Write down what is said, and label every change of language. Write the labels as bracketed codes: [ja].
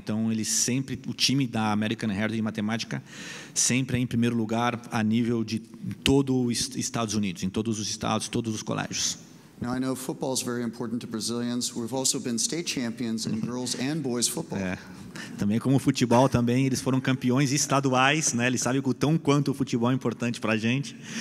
[pt] Então, ele sempre, o time da American Heritage de matemática sempre é em primeiro lugar a nível de todo os Estados Unidos, em todos os estados, todos os colégios. [en] Now I know football is very important to Brazilians. We've also been state champions in girls and boys football. [pt] Também como futebol também, eles foram campeões estaduais, né? Eles sabem o tão quanto o futebol é importante para a gente.